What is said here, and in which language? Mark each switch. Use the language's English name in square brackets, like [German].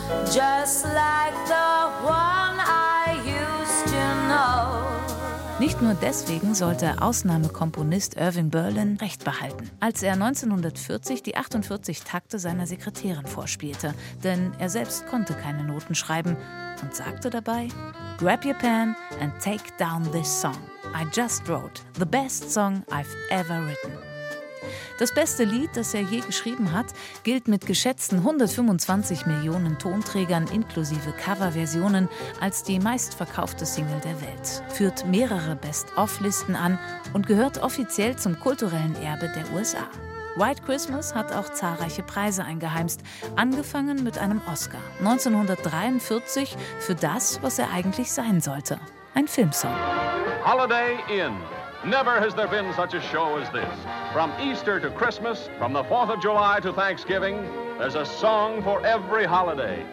[English] Just like the one I used to know. [German] Nicht nur deswegen sollte Ausnahmekomponist Irving Berlin Recht behalten, als er 1940 die 48 Takte seiner Sekretärin vorspielte. Denn er selbst konnte keine Noten schreiben und sagte dabei: [English] Grab your pen and take down this song. I just wrote the best song I've ever written. [German] Das beste Lied, das er je geschrieben hat, gilt mit geschätzten 125 Millionen Tonträgern inklusive Coverversionen als die meistverkaufte Single der Welt, führt mehrere Best-of-Listen an und gehört offiziell zum kulturellen Erbe der USA. White Christmas hat auch zahlreiche Preise eingeheimst, angefangen mit einem Oscar 1943 für das, was er eigentlich sein sollte, ein Filmsong. [English] Holiday Inn. Never has there been such a show as this. From Easter to Christmas, from the 4th of July to Thanksgiving, there's a song for every holiday.